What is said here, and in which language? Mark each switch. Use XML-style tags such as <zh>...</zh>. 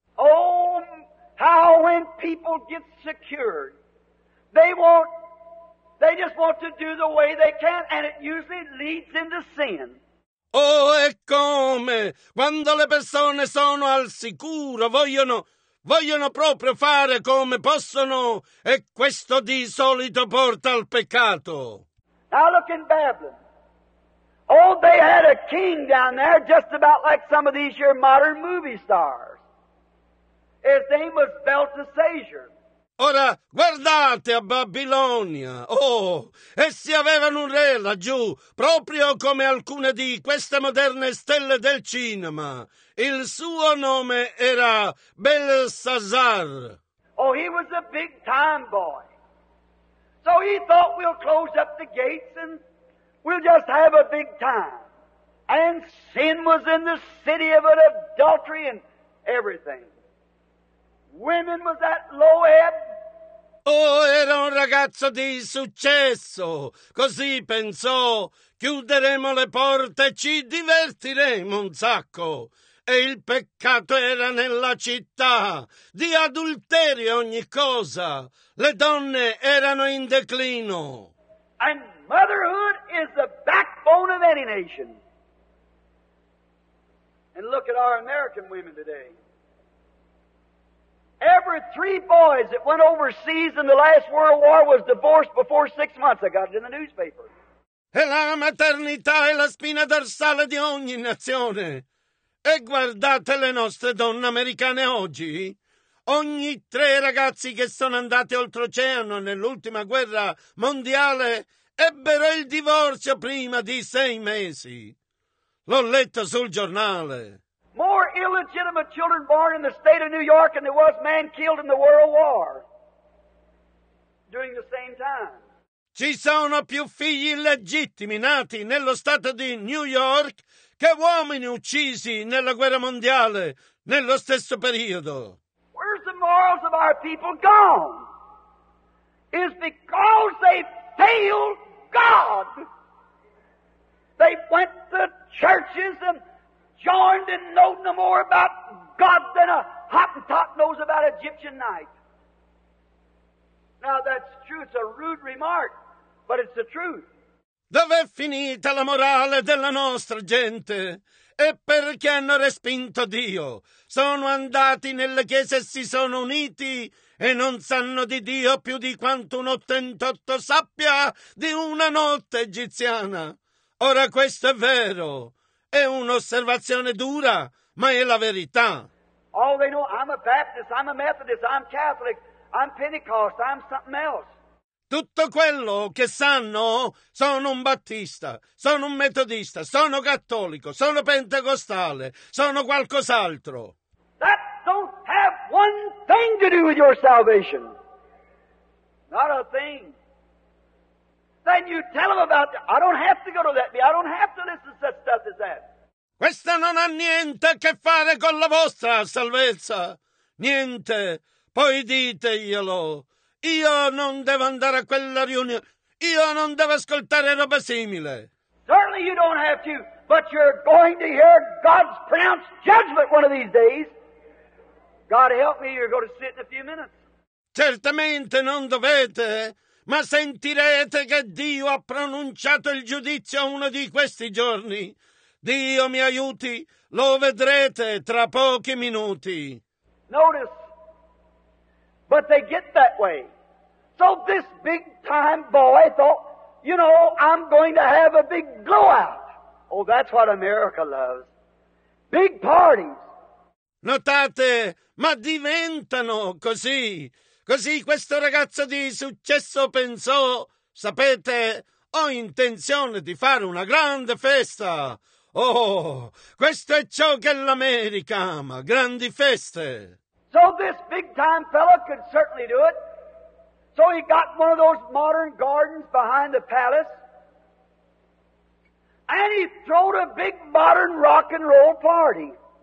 <en>Oh, how when people get secured, they won't They just want to do the way they can, and it usually leads into sin.</en> <it>Oh, e come! Quando le persone sono al sicuro, vogliono proprio fare come possono, e questo di solito porta al peccato.</it> <en>Now look in Babylon. Oh, they had a king down there just about like some of these your modern movie stars. His name was Belteshazzar.</en> <it>Ora, guardate a Babilonia. Oh, essi avevano un re laggiù, proprio come alcune di queste moderne stelle del cinema. Il suo nome era Belshazzar.</it> <en>Oh, he was a big time boy. So he thought we'll close up the gates and we'll just have a big time. And sin was in the city of it, adultery and everything. Women was at low ebb.</en> <it>Oh, era un ragazzo di successo, così pensò, chiuderemo le porte, ci divertiremo un sacco. E il peccato era nella città, di adulterio ogni cosa, le donne erano in declino.</it> <en>And motherhood is the backbone of any nation. And look at our American women today. Every three boys that went overseas in the last World War was divorced before 6 months. I got it in the newspaper.</en> <it>E la maternità è la spina dorsale di ogni nazione. E guardate le nostre donne americane oggi. Ogni tre ragazzi che sono andati oltreoceano nell'ultima guerra mondiale ebbero il divorzio prima di 6 mesi. L'ho letto sul giornale.</it> <en>More illegitimate children born in the state of New York than there was men killed in the World War during the same time.</en> <it>Ci sono più figli illegittimi nati nello stato di New York che uomini uccisi nella guerra mondiale nello stesso periodo.</it> <en>Where's the morals of our people gone? It's because they failed God. They went to churches and joined and know no more about God than a Hottentot knows about Egyptian night. Now that's true, it's a rude remark, but it's the truth.</en> <it>Dov'è finita la morale della nostra gente? E perché hanno respinto Dio? Sono andati nelle chiese e si sono uniti e non sanno di Dio più di quanto un 88 sappia di una notte egiziana. Ora questo è vero. È un'osservazione dura, ma è la verità.</it> <en>All they know, I'm a Baptist, I'm a Methodist, I'm Catholic, I'm Pentecost, I'm something else.</en> <it>Tutto quello che sanno, sono un Battista, sono un Metodista, sono Cattolico, sono Pentecostale, sono qualcos'altro.</it> <en>That don't have one thing to do with your salvation. Not a thing. Then you tell them about it. I don't have to go to that. I don't have to listen to such stuff as that.</en> <it>Questa non ha niente a che fare con la vostra salvezza. Niente. Poi diteglielo. Io non devo andare a quella riunione. Io non devo ascoltare roba simile.</it> <en>Certainly you don't have to, but you're going to hear God's pronounced judgment one of these days. God help me, you're going to sit in a few minutes.</en> <it>Certamente non dovete. Ma sentirete che Dio ha pronunciato il giudizio uno di questi giorni. Dio mi aiuti, lo vedrete tra pochi minuti.</it> <en>Notice, but they get that way. So this big time boy thought, you know, I'm going to have a big blowout. Oh, that's what America loves. Big parties.</en> <it>Notate, ma diventano così. Così questo ragazzo di successo pensò, sapete, ho intenzione di fare una grande festa. Oh, questo è ciò che l'America ama, grandi feste.</it> <en>So this big time fellow could certainly do it. So he got one of those modern gardens behind the palace. And he throwed a big modern rock and roll party.</en>